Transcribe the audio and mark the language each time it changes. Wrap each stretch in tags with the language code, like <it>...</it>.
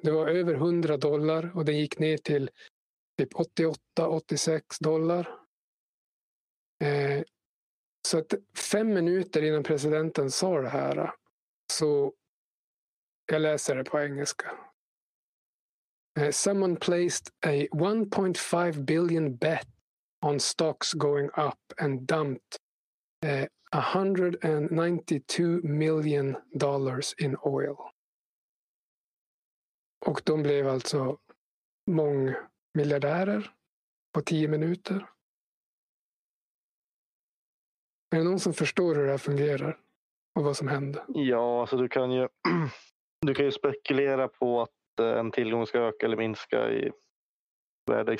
<sv>Det var över 100 dollar och det gick ner till typ 88-86 dollar. Så att 5 minuter innan presidenten sa det här, så jag läser det på engelska.</sv> <en>Someone placed a 1.5 billion bet on stocks going up and dumped $192 million in oil.</en> <sv>Och de blev alltså mångmiljardärer på 10 minuter. Är det någon som förstår hur det här fungerar och vad som hände? Ja, alltså du kan ju spekulera på att en tillgång ska öka eller minska i värde.</sv>